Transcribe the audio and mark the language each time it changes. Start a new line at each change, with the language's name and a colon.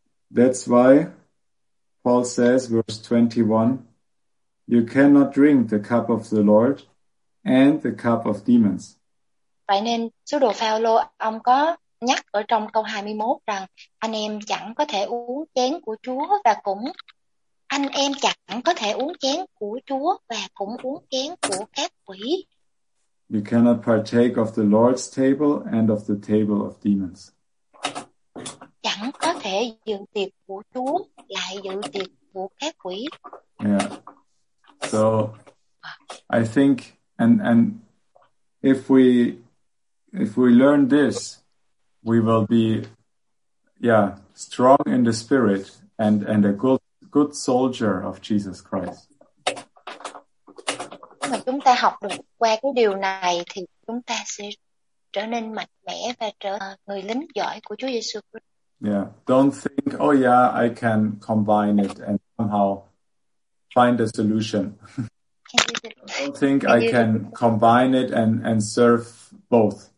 English: That's why Paul says verse 21, you cannot drink the cup of the Lord and the cup of demons.
Vietnamese: Vậy nên sứ đồ Phao-lô ông có nhắc ở trong câu 21 rằng anh em chẳng có thể uống chén của Chúa và cũng anh em chẳng có thể uống chén của Chúa và cũng uống chén của các quỷ.
English: You cannot partake of the Lord's table and of the table of demons.
Vietnamese: Chẳng có thể dự tiệc của Chúa lại dự tiệc của các quỷ.
English: Yeah. So I think and if we learn this, we will be, yeah, strong in the spirit and a good soldier of Jesus Christ.
Vietnamese: Mà chúng ta học được qua cái điều này thì chúng ta sẽ trở nên mạnh mẽ và trở người lính giỏi của Chúa Giêsu Christ.
English: Yeah, don't think, oh yeah, I can combine it and somehow find a solution. Don't think I can combine it and serve both.